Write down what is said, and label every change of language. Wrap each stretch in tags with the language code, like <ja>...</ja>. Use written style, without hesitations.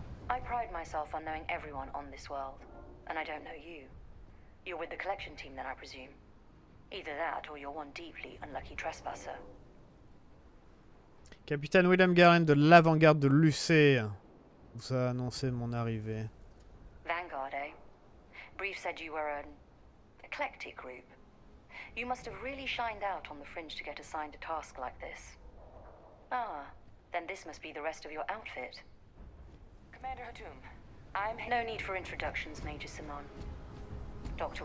<en>I pride myself on knowing everyone on this world, and I don't know you. You're with the collection team then, I presume. Either that or you're one deeply unlucky trespasser.</en> <fr>Capitaine William Garen de l'avant-garde de l'UC. Vous a annoncé mon arrivée.</fr> <en>Vanguard, eh? Brief said you were an eclectic group. You must have really shined out on the fringe to get assigned a task like this. Ah, then this must be the rest of your outfit. Commander Hatoum, I'm... No need for introductions, Major Simon. Dr.</en>